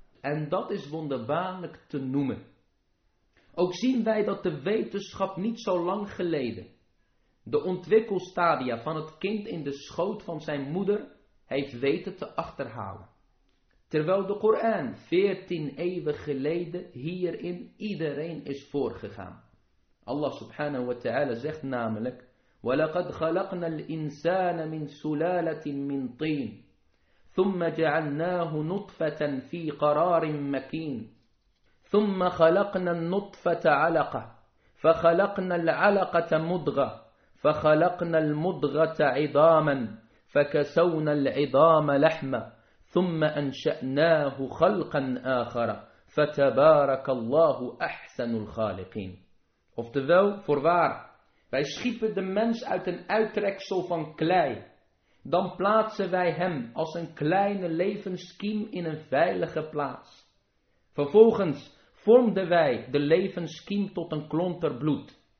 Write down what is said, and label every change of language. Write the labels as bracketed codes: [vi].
[nl] En dat is wonderbaarlijk te noemen. Ook zien wij dat de wetenschap niet zo lang geleden de ontwikkelstadia van het kind in de schoot van zijn moeder heeft weten te achterhalen. Terwijl de Koran 14 eeuwen geleden hierin iedereen is voorgegaan. Allah subhanahu wa ta'ala zegt namelijk: [ar] وَلَقَدْ خَلَقْنَا الْإِنسَانَ مِنْ سُلَالَةٍ مِنْ طِينٍ ثُمَّ جَعَلْنَاهُ نُطْفَةً فِي قَرَارٍ مَكِينٍ ثُمَّ خَلَقْنَا النُّطْفَةَ عَلَقَةً فَخَلَقْنَا الْعَلَقَةَ مُضْغَةً فَخَلَقْنَا الْمُضْغَةَ عِظَامًا فَكَسَوْنَا الْعِظَامَ لَحْمًا ثُمَّ أَنْشَأْنَاهُ خَلْقًا آخَرَ فَتَبَارَكَ اللَّهُ أَحْسَنُ الْخَالِقِينَ. [nl] Oftewel, voorwaar, wij schiepen de mens uit een uittreksel van klei. Dan plaatsen wij hem als een kleine levenskiem in een veilige plaats. Vervolgens vormden wij de levenskiem tot een klonter bloed.